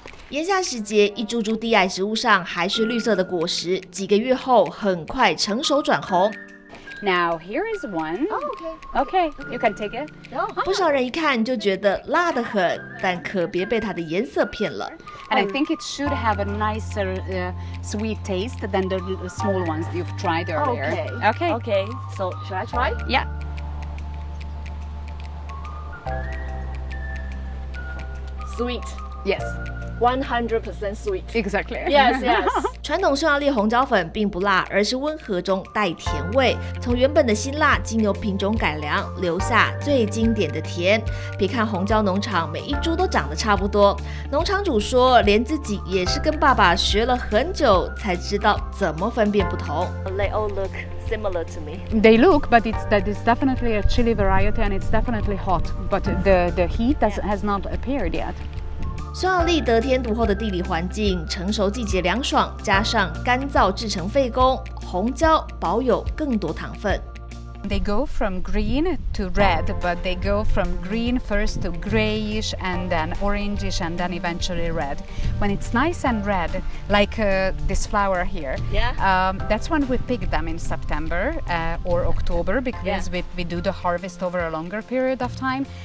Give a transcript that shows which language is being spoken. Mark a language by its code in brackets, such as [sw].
[zh] 炎夏时节，一株株低矮植物上还是绿色的果实，几个月后很快成熟转红。 [en] Now here is one. Oh, okay. Okay, you can take it. [zh] 不少人一看就觉得辣得很，但可别被它的颜色骗了。 [en] And I think it should have a nicer, sweet taste than the small ones you've tried earlier. Okay. Okay. Okay. So should I try? Yeah. Sweet. Yes. 100% sweet. Exactly. Yes. Yes. [zh] 传统匈牙利红椒粉并不辣，而是温和中带甜味。从原本的辛辣，经由品种改良，留下最经典的甜。别看红椒农场每一株都长得差不多，农场主说，连自己也是跟爸爸学了很久才知道怎么分辨不同。 [en] They all look similar to me. They look, but it's definitely a chili variety, and it's definitely hot. But the heat has not appeared yet. [zh] 匈牙利得天独厚的地理环境，成熟季节凉爽，加上干燥制成费工，红椒保有更多糖分。 [en] They go from green to red, but they go from green first to grayish and then orangish and then eventually red. When it's nice and red, like this flower here, that's when we pick them in September or October, because we do the harvest over a longer period of time.